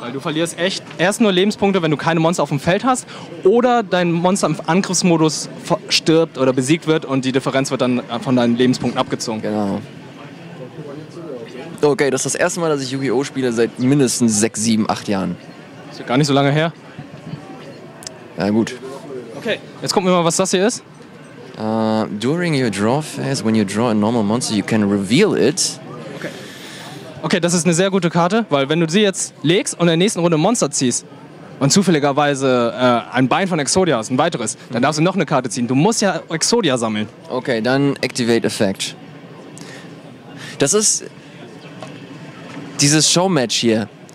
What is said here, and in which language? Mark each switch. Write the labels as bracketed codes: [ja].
[de] Weil du verlierst echt erst nur Lebenspunkte, wenn du keine Monster auf dem Feld hast oder dein Monster im Angriffsmodus stirbt oder besiegt wird und die Differenz wird dann von deinen Lebenspunkten abgezogen. Genau. Okay, das ist das erste Mal, dass ich Yu-Gi-Oh! Spiele seit mindestens 6, 7, 8 Jahren. Ist ja gar nicht so lange her. Na gut. Okay, jetzt gucken wir mal, was das hier ist. [en] During your draw phase, when you draw a normal monster, you can reveal it. [de] Okay, das ist eine sehr gute Karte, weil wenn du sie jetzt legst und in der nächsten Runde ein Monster ziehst und zufälligerweise ein Bein von Exodia hast, ein weiteres, dann darfst du noch eine Karte ziehen. Du musst ja Exodia sammeln. Okay, dann Activate Effect. Das ist dieses Showmatch hier.